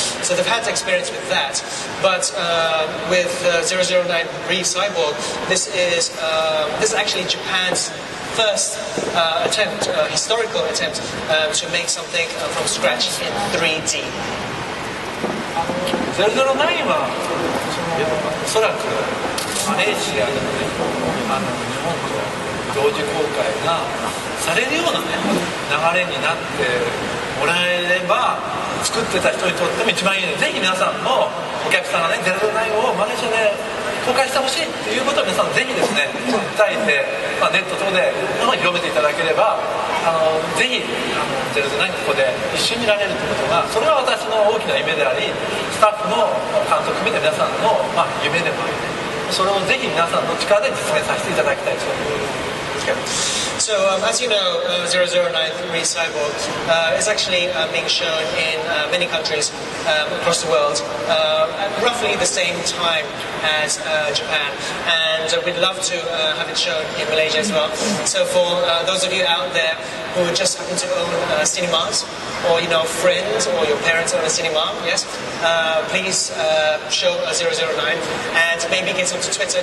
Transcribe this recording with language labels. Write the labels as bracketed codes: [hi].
[en] So they've had experience with that. But with 009 Reeve Cyborg, this is actually Japan's first attempt, historical attempt, to make something from scratch in 3D. [ja] 009 はおそらくマレーシアでもね、日本と同時公開がされるような、ね、流れになってもらえれば、作ってた人にとっても一番いいので、ぜひ皆さんもお客さんがね、009をマレーシアで公開してほしいということを皆さんぜひですね、訴えて、まあ、ネット等で広めていただければ、ぜひ009 ここで一緒にいられるということが、それは私の大きな夢であり、スタッフの監督含めて皆さんの、まあ、夢でもあり、それをぜひ皆さんの力で実現させていただきたいと思います。 [en] So, as you know, 009 Reeve Cyborg is actually being shown in many countries across the world at roughly the same time as Japan. And we'd love to have it shown in Malaysia as well. So for those of you out there who just happen to own cinemas, or you know, friends or your parents own a cinema, yes, please show 009 and maybe get onto Twitter.